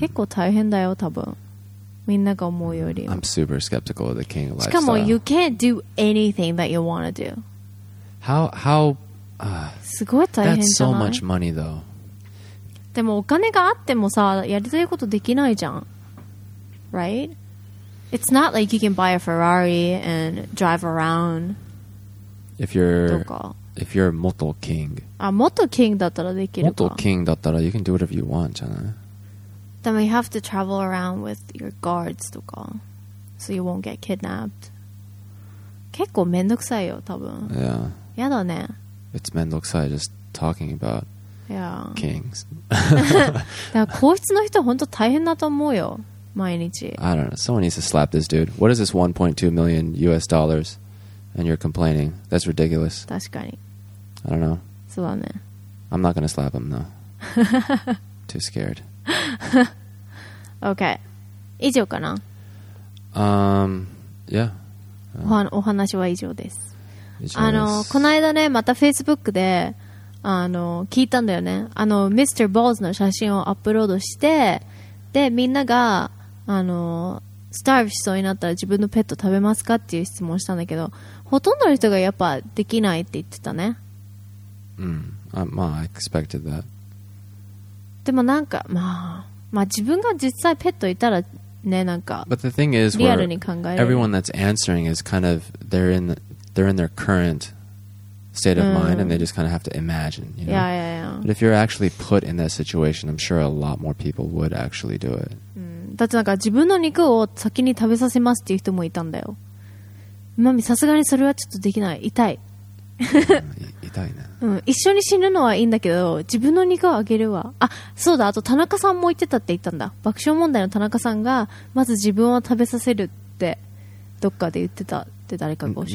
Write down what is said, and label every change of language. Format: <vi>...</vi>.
<ja>結構大変だよ多分みんなが思うより</ja> <en>も I'm super skeptical of the king lifestyle しかも you can't do anything that you want to do how</en> <ja>すごい大変じゃない</ja> <en>that's so much money though</en> <ja>でもお金があってもさやりたいことできないじゃん right?</ja> <en>It's not like you can buy a Ferrari and drive around if you're 元 king</en> <ja>あ元 king だったらできるか</ja> <en>元 king だったら you can do whatever you want じゃない Then you have to travel around with your guards とか so you won't get kidnapped.</en> <ja>結構めんどくさいよ、多分。</ja> <en>Yeah.</en> <ja>やだね。</ja> <en>It's</en> <ja>めんどくさい</ja> <en>just talking about yeah. kings.</en> <ja>だから皇室の人本当大変だと思うよ、毎日。</ja> <en>I don't know. Someone needs to slap this dude. What is this $1.2 million US and you're complaining? That's ridiculous.</en> <ja>確かに。</ja> <en>I don't know.</en> <ja>そうだね。</ja> <en>I'm not gonna slap him though. Too scared. okay. 以上かな? Yeah.</en> <ja>お話は以上です。あの、この間ね、また Facebook で、あの、聞いたんだよね。あの、Mr. Balls の写真をアップロードして、で、みんなが、あの、スターブしそうになったら自分のペット食べますかっていう質問したんだけど、ほとんどの人がやっぱできないって言ってたね。</ja> <en>うん。まあ、I expected that.</en> <ja>でもなんか、まあ、まあ自分が実際ペットいたらねなんかリアルに考える。</ja> <en>But the thing is, everyone that's answering is kind of they're in their current state of mind and they just kind of have to imagine. You know? Yeah, yeah, yeah. But if you're actually put in that situation, I'm sure a lot more people would actually do it.</en> <ja>だってなんか自分の肉を先に食べさせますっていう人もいたんだよ。マミ、さすがにそれはちょっとできない。痛い。痛いね、うん、一緒に死ぬのはいいんだけど自分の肉をあげるわあそうだあと田中さんも言ってたって言ったんだ爆笑問題の田中さんがまず自分を食べさせるってどっかで言ってたって誰かが教えて</ja>